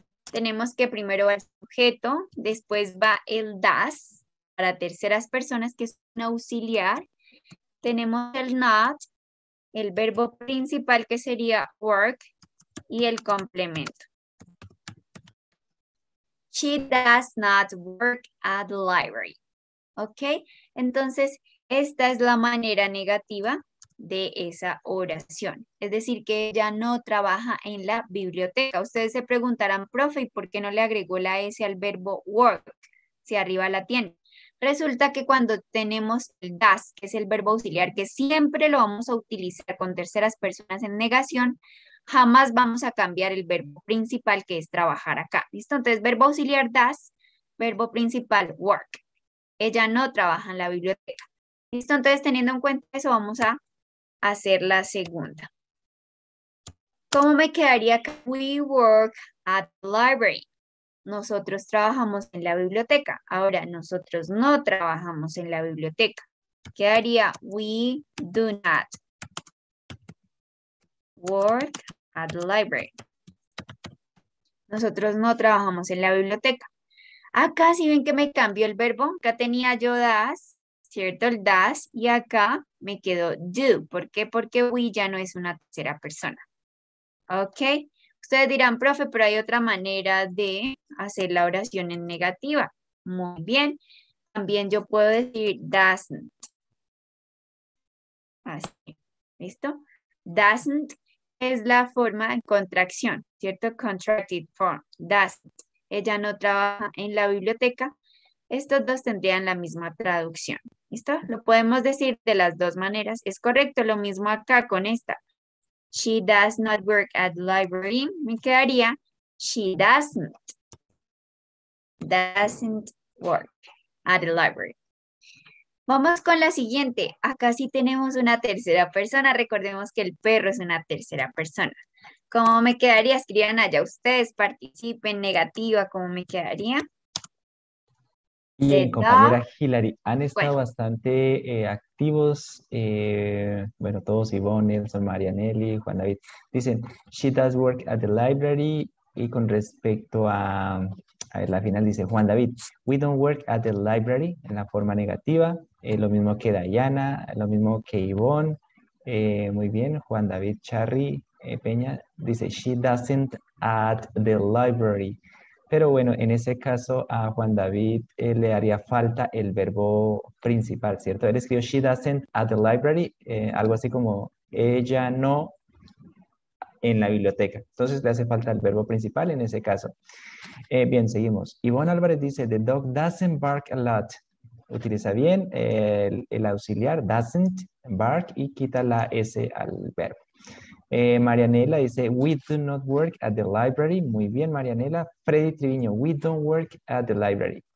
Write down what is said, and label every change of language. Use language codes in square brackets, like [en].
[es] Tenemos que primero va el sujeto, después va el does para terceras personas, que es un auxiliar. Tenemos el not, el verbo principal que sería work y el complemento. [en] She does not work at the library. ¿Ok? [es] Entonces, esta es la manera negativa de esa oración. Es decir, que ella no trabaja en la biblioteca. Ustedes se preguntarán, profe, ¿y por qué no le agregó la S al verbo work? Si arriba la tiene. Resulta que cuando tenemos el does, que es el verbo auxiliar, que siempre lo vamos a utilizar con terceras personas en negación, jamás vamos a cambiar el verbo principal, que es trabajar acá. ¿Listo? Entonces, verbo auxiliar does, verbo principal work. Ella no trabaja en la biblioteca. ¿Listo? Entonces, teniendo en cuenta eso, vamos a hacer la segunda. ¿Cómo me quedaría? [en] We work at the library. [es] Nosotros trabajamos en la biblioteca. Ahora, nosotros no trabajamos en la biblioteca. ¿Qué haría? [en] We do not work at the library. [es] Nosotros no trabajamos en la biblioteca. Acá, si ven que me cambió el verbo, acá tenía yo does, ¿cierto? El does, y acá me quedó do. ¿Por qué? Porque we ya no es una tercera persona. ¿Ok? Ustedes dirán, profe, pero hay otra manera de hacer la oración en negativa. Muy bien. También yo puedo decir doesn't. Así. ¿Listo? Doesn't es la forma en contracción, ¿cierto? [en] Contracted form. [es] Doesn't. Ella no trabaja en la biblioteca. Estos dos tendrían la misma traducción. ¿Listo? Lo podemos decir de las dos maneras. Es correcto. Lo mismo acá con esta. [en] She does not work at the library. [es] Me quedaría [en] she doesn't work at the library. [es] Vamos con la siguiente. Acá sí tenemos una tercera persona. Recordemos que el perro es una tercera persona. ¿Cómo me quedaría? Escriban allá ustedes, participen, negativa, ¿cómo me quedaría? Bien, compañera Hilary, han estado bastante activos, bueno, todos, Ivonne, Nelson, Marianelli, Juan David, dicen, [en] she does work at the library, [es] y con respecto a la final dice, Juan David, [en] we don't work at the library, [es] en la forma negativa, lo mismo que Diana, lo mismo que Ivonne, muy bien, Juan David, Charry, Peña, dice, [en] she doesn't at the library. [es] Pero bueno, en ese caso a Juan David le haría falta el verbo principal, ¿cierto? Él escribió [en] she doesn't at the library, [es] algo así como ella no en la biblioteca. Entonces le hace falta el verbo principal en ese caso. Bien, seguimos. Ivonne Álvarez dice, [en] the dog doesn't bark a lot. [es] Utiliza bien el auxiliar doesn't bark y quita la S al verbo. [en] Marianela [es] dice, [en] we do not work at the library. [es] Muy bien, Marianela. Freddy Triviño, [en] we don't work at the library.